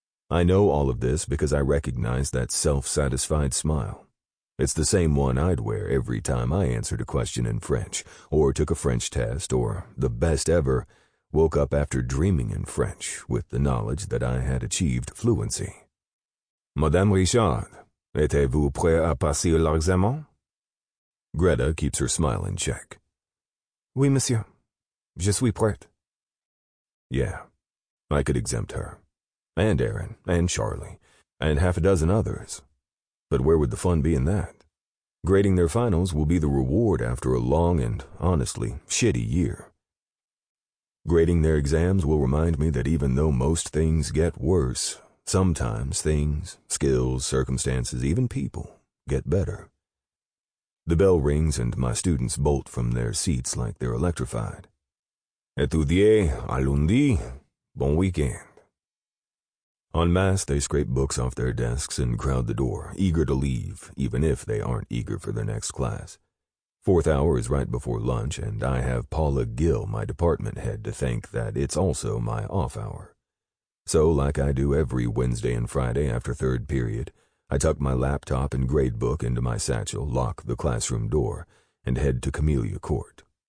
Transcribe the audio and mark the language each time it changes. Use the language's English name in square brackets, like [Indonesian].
[English] I know all of this because I recognize that self-satisfied smile. It's the same one I'd wear every time I answered a question in French, or took a French test, or, the best ever, woke up after dreaming in French with the knowledge that I had achieved fluency. [French] Madame Richard, êtes-vous prêt à passer l'examen? [English] Greta keeps her smile in check. [French] Oui, monsieur. Je suis prêt. [English] Yeah, I could exempt her. And Aaron, and Charlie, and half a dozen others. But where would the fun be in that? Grading their finals will be the reward after a long and, honestly, shitty year. Grading their exams will remind me that even though most things get worse, sometimes things, skills, circumstances, even people, get better. The bell rings and my students bolt from their seats like they're electrified. [French] Étudiez à lundi, bon week-end. [English] En masse, they scrape books off their desks and crowd the door, eager to leave, even if they aren't eager for their next class. Fourth hour is right before lunch, and I have Paula Gill, my department head, to thank that it's also my off hour. So, like I do every Wednesday and Friday after third period, I tuck my laptop and gradebook into my satchel, lock the classroom door, and head to Camellia Court.